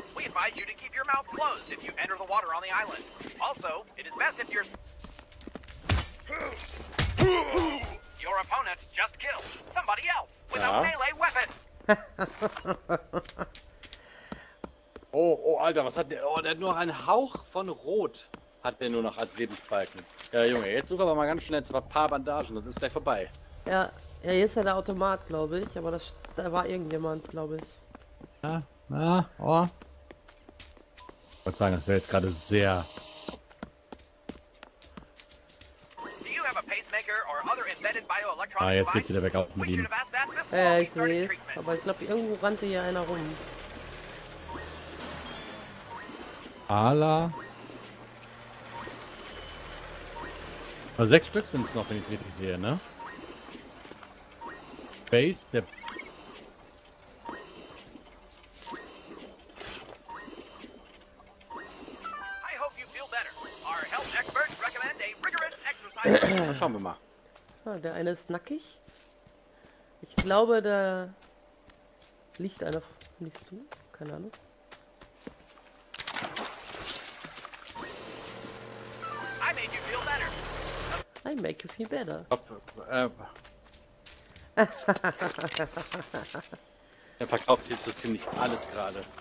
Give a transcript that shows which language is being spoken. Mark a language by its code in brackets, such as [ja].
[en] We invite you to keep your mouth closed if you enter the water on the island. Also, it is best if you're. Your opponent just killed somebody else with a melee weapon. [de] Oh, Alter, was hat der? Oh, der hat nur einen Hauch von Rot. Hat der nur noch als Lebensbalken. Ja, Junge, jetzt such aber mal ganz schnell ein paar Bandagen, das ist gleich vorbei. Ja, hier ist ja der Automat, glaube ich, aber da war irgendjemand, glaube ich. Ja. Ich wollte sagen, das wäre jetzt gerade sehr. [en] Do you have a pacemaker or other embedded bioelectronic device? [de] Jetzt geht's wieder weg auf mit ihm. Ja, ich sehe es, aber ich glaube, irgendwo rannte hier einer rum. Ala. Also 6 Stück sind es noch, wenn ich es richtig sehe, ne? Base, der. [en] I hope you feel better. Our health experts recommend a rigorous exercise. [de] Schauen wir mal. Ah, der eine ist nackig. Ich glaube, da liegt einer. Nicht du? Keine Ahnung. [en] I make you feel better. [de] Er verkauft hier so ziemlich alles gerade.